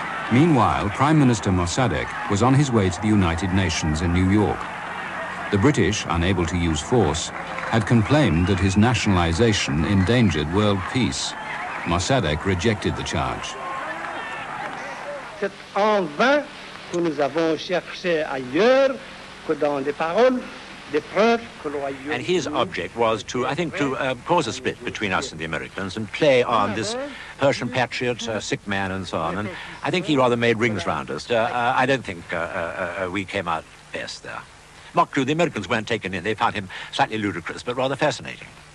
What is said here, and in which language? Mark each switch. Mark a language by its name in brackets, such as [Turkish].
[English] Meanwhile, Prime Minister Mossadegh was on his way to the United Nations in New York. The British, unable to use force, had complained that his nationalization endangered world peace. Mossadegh rejected the charge. [French] C'est en vain que nous avons cherché ailleurs que dans les paroles. [English] And his object was to, I think, to cause a split between us and the Americans and play on this Persian patriot, sick man, and so on. And I think he rather made rings round us. I don't think we came out best there. Mark Drew, the Americans weren't taken in. They found him slightly ludicrous, but rather fascinating.